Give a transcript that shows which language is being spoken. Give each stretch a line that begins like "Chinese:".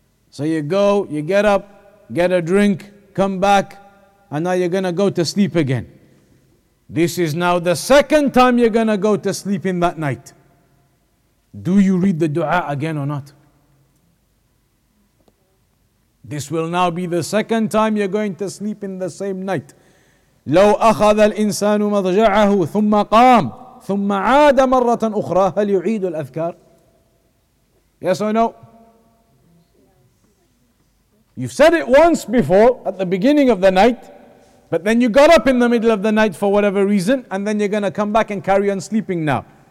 English: So you go, you get up, get a drink, come back, and now you're going to go to sleep again. This is now the second time you're going to go to sleep in that night. Do you read the dua again or not? This will now be the second time you're going to sleep in the same night.
Arabic: لو أخذ الإنسان مضجعه ثم قام ثم عاد مرة أخرى هل يعيد الأذكار؟
English: Yes or no? You've said it once before at the beginning of the night, but then you got up in the middle of the night for whatever reason, and then you're going to come back and carry on sleeping now.